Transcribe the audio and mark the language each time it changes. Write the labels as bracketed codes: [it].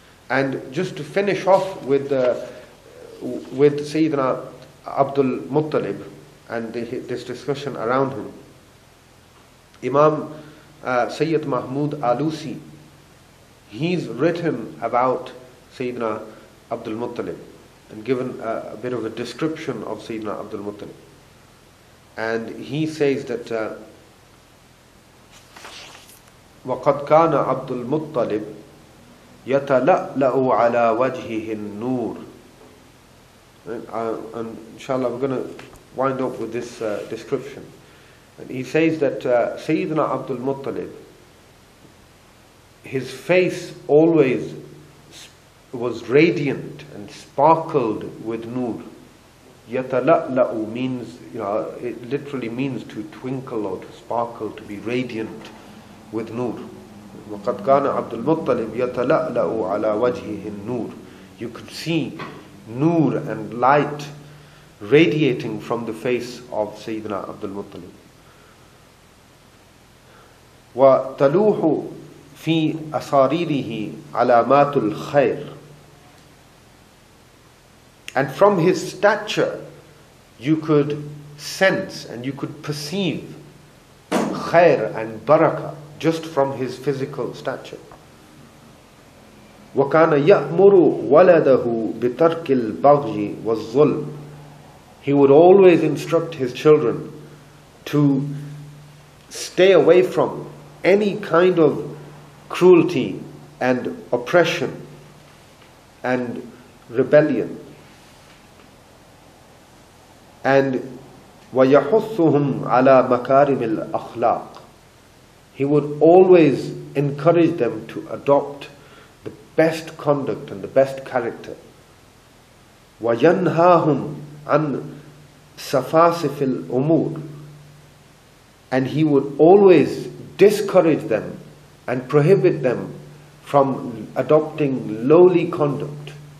[en] And just to finish off with Sayyidina Abdul Muttalib and this discussion around him, Imam Sayyid Mahmud Alusi, he's written about Sayyidina Abdul Muttalib and given a bit of a description of Sayyidina Abdul Muttalib. And he says that [ar] وَقَدْ كَانَ عَبْدُ الْمُطَّلِبِ يَتَلَأْلَأُ عَلَىٰ وَجْهِهِ النُّورِ. [en] Inshallah, we're going to wind up with this description. And he says that Sayyidina Abdul Muttalib, his face always was radiant and sparkled with nur. Yatala'la'u means, it literally means to twinkle or to sparkle, to be radiant with nur. [ar] وَقَدْ كَانَ عَبْدُ الْمُطَّلِبِ يَتَلَأْلَأُ عَلَىٰ وَجْهِهِ النُّورِ. [en] You could see nur and light radiating from the face of Sayyidina Abdul Muttalib. [ar] وَتَلُوحُ فِي أَصَارِيرِهِ عَلَامَاتُ الْخَيْرِ. [en] And from his stature, you could sense and you could perceive khair and barakah just from his physical stature. [ar] وَكَانَ يَأْمُرُ وَلَدَهُ بِتَرْكِ الْبَغْيِ وَالظُّلْمِ. [en] He would always instruct his children to stay away from any kind of cruelty and oppression and rebellion. And [ar] وَيَحُثُّهُمْ عَلَىٰ مَكَارِمِ الْأَخْلَاقِ. [en] He would always encourage them to adopt the best conduct and the best character. [ar] وَيَنْهَاهُمْ عَنْ سَفَاسِفِ الْأُمُورِ. [en] And he would always discourage them and prohibit them from adopting lowly conduct.